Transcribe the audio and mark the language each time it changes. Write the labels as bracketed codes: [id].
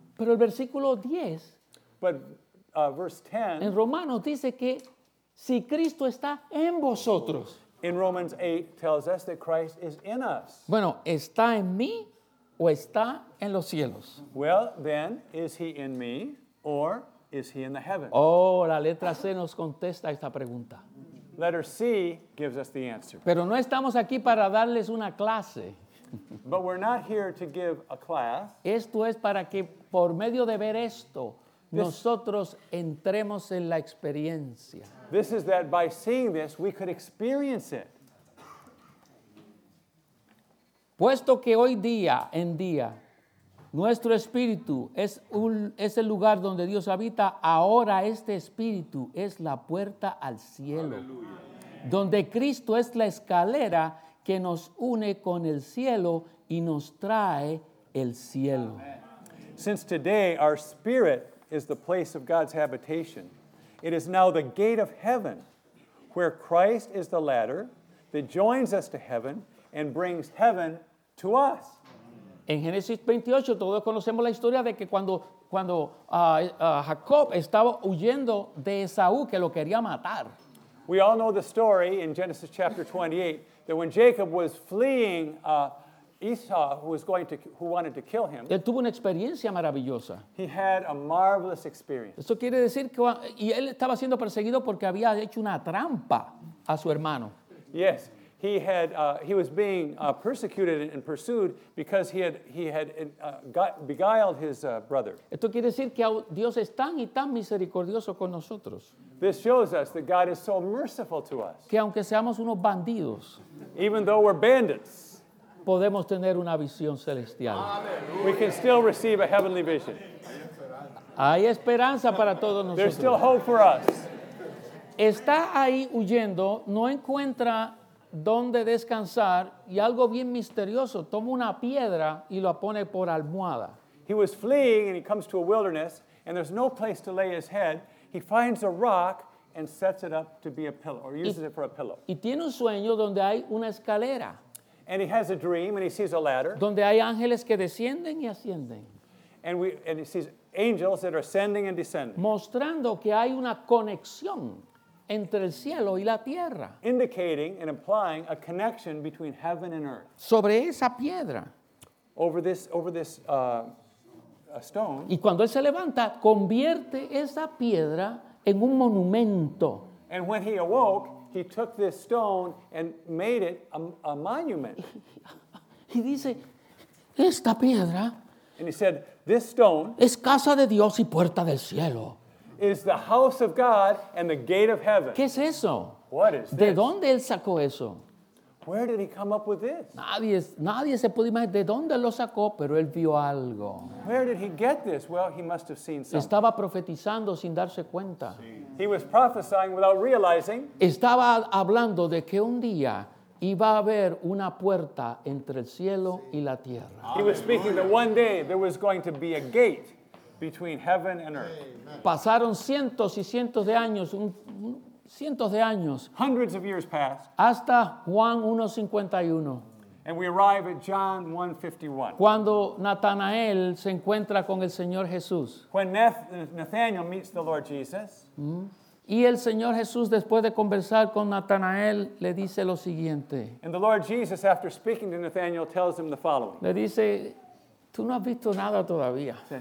[es] Pero el versículo 10, [en] but verse 10, [es] en Romanos dice que si Cristo está en vosotros. [en] In Romans 8 tells us that Christ is in us. [es] Bueno, ¿está en mí o está en los cielos? [en] Well, then, is he in me or is he in the heavens? [es] Oh, la letra C nos contesta esta pregunta. [en] Letter C gives us the answer. [es] Pero no estamos aquí para darles una clase. [en] But we're not here to give a class. [es] Esto es para que por medio de ver esto, nosotros entremos en la experiencia. [en] This is that by seeing this, we could experience it. [es] Puesto que hoy día, en día, nuestro espíritu es el lugar donde Dios habita, ahora este espíritu es la puerta al cielo. Aleluya. Donde Cristo es la escalera que nos une con el cielo y nos trae el cielo. [en] Amen. Since today, our spirit is the place of God's habitation. It is now the gate of heaven, where Christ is the ladder that joins us to heaven and brings heaven to us. [es] En Génesis 28, todos conocemos la historia de que cuando Jacob estaba huyendo de Esaú, que lo quería matar. [en] We all know the story in Genesis chapter 28 that when Jacob was fleeing Esau, who wanted to kill him. [es] Él tuvo una experiencia maravillosa. [en] He had a marvelous experience. [es] Eso quiere decir que y él estaba siendo perseguido porque había hecho una trampa a su hermano. [en] Yes, he was being persecuted and pursued because he had beguiled his brother. [es] Esto quiere decir que Dios es tan y tan misericordioso con nosotros. [en] This shows us that God is so merciful to us. [es] Que aunque seamos unos bandidos. [en] Even though we're bandits. [es] Podemos tener una visión celestial. [en] We can still receive a heavenly vision. [es] Hay esperanza para todos nosotros. [en] There's still hope for us. [es] Está ahí huyendo, no encuentra dónde descansar y algo bien misterioso, toma una piedra y lo pone por almohada. [en] He was fleeing and he comes to a wilderness and there's no place to lay his head. He finds a rock and sets it up to be a pillow or uses it for a pillow. [es] Y tiene un sueño donde hay una escalera. [en] And he has a dream and he sees a ladder. [es] Donde hay ángeles que descienden y ascienden. [en] And he sees angels that are ascending and descending. [es] Mostrando que hay una conexión entre el cielo y la tierra. [en] Indicating and implying a connection between heaven and earth. [es] Sobre esa piedra. [en] Over this stone. [es] Y cuando él se levanta, convierte esa piedra en un monumento. [en] And when he awoke, he took this stone and made it a monument. [es] Y dice, esta piedra. [en] And he said, this stone. [es] Es casa de Dios y puerta del cielo. [en] Is the house of God and the gate of heaven. [es] ¿Qué es eso? [en] What is this? [es] ¿De dónde él sacó eso? [en] Where did he come up with this? [es] Nadie se puede imaginar de dónde lo sacó, pero él vio algo. [en] Where did he get this? Well, he must have seen something. [es] Estaba profetizando sin darse cuenta. Sí. [en] He was prophesying without realizing. [es] Estaba hablando de que un día iba a haber una puerta entre el cielo y la tierra. [en] He was speaking that one day there was going to be a gate between heaven and earth. [es] Pasaron cientos y cientos de años, cientos de años. [en] Hundreds of years passed. [es] Hasta Juan 1:51. [en] And we arrive at John 1:51. [es] Cuando Natanael se encuentra con el Señor Jesús. [en] When Nathanael meets the Lord Jesus. Mm-hmm. [es] Y el Señor Jesús, después de conversar con Natanael, le dice lo siguiente. [en] And the Lord Jesus, after speaking to Nathanael, tells him the following. [es] Le dice, tú no has visto nada todavía.